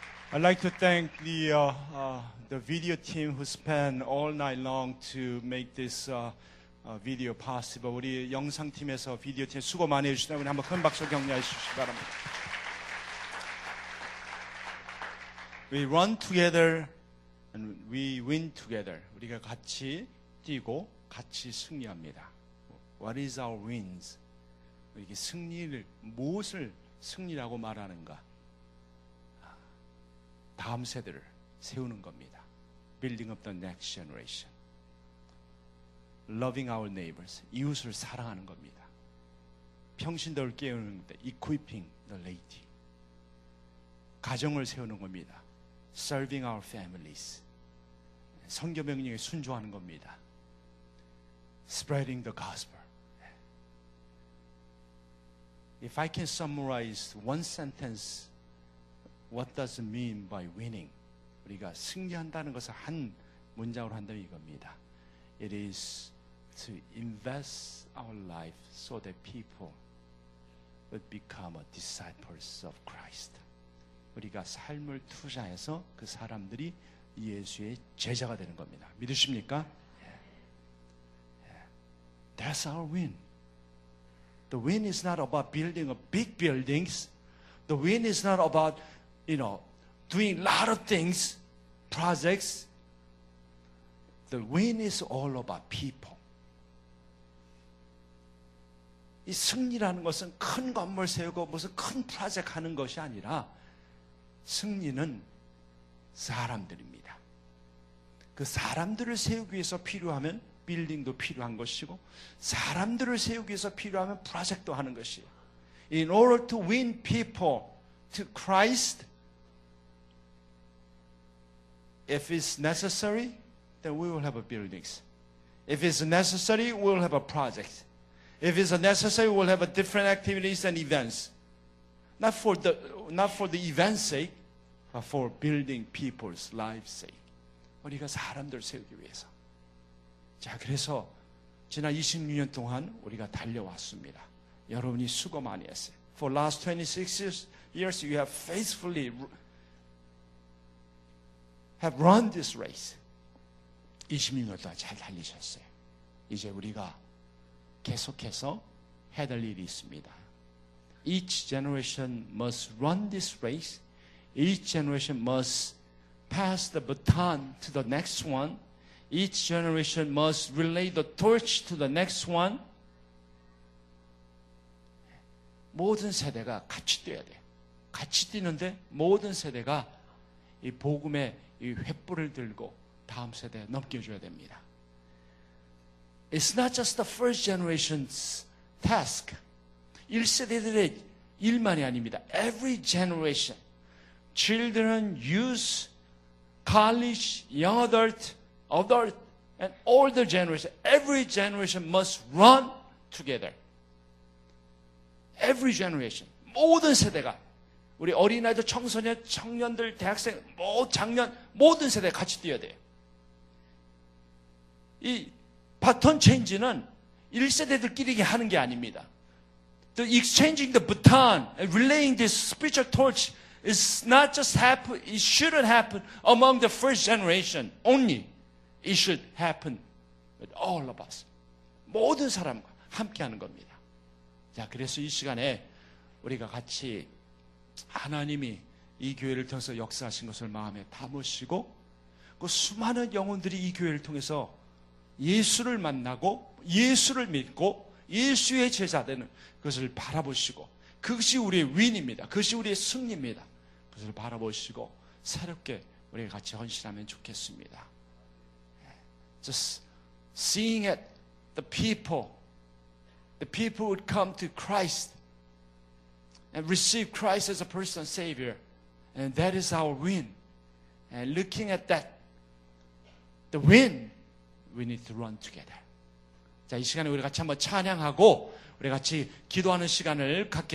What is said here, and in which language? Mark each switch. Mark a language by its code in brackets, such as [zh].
[en] I'd like to thank the video team who spent all night long to make this video possible. [ko] 우리 영상팀에서 비디오 팀 수고 많이 해주셨다. 우리 한번 큰 박수 격려해 주시기 바랍니다. [en] We run together and we win together. [ko] 우리가 같이 뛰고 같이 승리합니다. [en] What is our wins? [ko] 이게 승리를 무엇을 승리라고 말하는가? 다음 세대를 세우는 겁니다. [en] Building up the next generation. Loving our neighbors. [ko] 이웃을 사랑하는 겁니다. 평신도를 깨우는 겁니다. [en] Equipping the lady. [ko] 가정을 세우는 겁니다. [en] Serving our families. [ko] 선교 명령에 순종하는 겁니다. [en] Spreading the gospel. If I can summarize one sentence, what does it mean by winning? [ko] 우리가 승리한다는 것을 한 문장으로 한다면 이겁니다. [en] It is to invest our life so that people would become a disciples of Christ. [ko] 우리가 삶을 투자해서 그 사람들이 예수의 제자가 되는 겁니다. 믿으십니까? [en] Yeah. Yeah. That's our win. The win is not about building a big buildings. The win is not about, you know, doing a lot of things, projects. The win is all about people. [ko] 이 승리라는 것은 큰 건물 세우고 무슨 큰 프로젝트 하는 것이 아니라 승리는 사람들입니다. 그 사람들을 세우기 위해서 필요하면 빌딩도 필요한 것이고 사람들을 세우기 위해서 필요하면 프로젝트도 하는 것이에요. [en] In order to win people to Christ, if it's necessary, then we will have a buildings. If it's necessary, we will have a project. If it's necessary, we'll have a different activities and events. Not for the event's sake, but for building people's lives' sake. [ko] 우리가 사람들 세우기 위해서. 자, 그래서 지난 26년 동안 우리가 달려왔습니다. 여러분이 수고 많이 했어요. [en] For last 26 years, you have faithfully have run this race. [ko] 26년 동안 잘 달리셨어요. 이제 우리가 계속해서 해야 될 일이 있습니다. [en] Each generation must run this race. Each generation must pass the baton to the next one. Each generation must relay the torch to the next one. [ko] 모든 세대가 같이 뛰어야 돼요. 같이 뛰는데 모든 세대가 이 복음의 이 횃불을 들고 다음 세대에 넘겨줘야 됩니다. [en] It's not just the first generation's task. [ko] 1세대들의 일만이 아닙니다. [en] Every generation, children, youth, college, young adult, adult, and older generation, every generation must run together. Every generation, [ko] 모든 세대가, 우리 어린아이들, 청소년, 청년들, 대학생, 장년, 모든 세대 같이 뛰어야 돼요. 이 바톤 체인지는 1세대들끼리 하는 게 아닙니다. [en] The exchanging the baton and relaying this spiritual torch is not just happen, it shouldn't happen among the first generation only. It should happen with all of us. [ko] 모든 사람과 함께 하는 겁니다. 자, 그래서 이 시간에 우리가 같이 하나님이 이 교회를 통해서 역사하신 것을 마음에 담으시고 그 수많은 영혼들이 이 교회를 통해서 예수를 만나고 예수를 믿고 예수의 제자 되는 그것을 바라보시고 그것이 우리의 윈입니다. 그것이 우리의 승리입니다. 그것을 바라보시고 새롭게 우리가 같이 헌신하면 좋겠습니다. [en] Just seeing at the people would come to Christ and receive Christ as a personal Savior, and that is our win. And looking at that, the win, we need to run together. [ko] 자, 이 시간에 우리 같이 한번 찬양하고 우리 같이 기도하는 시간을 갖겠습니다.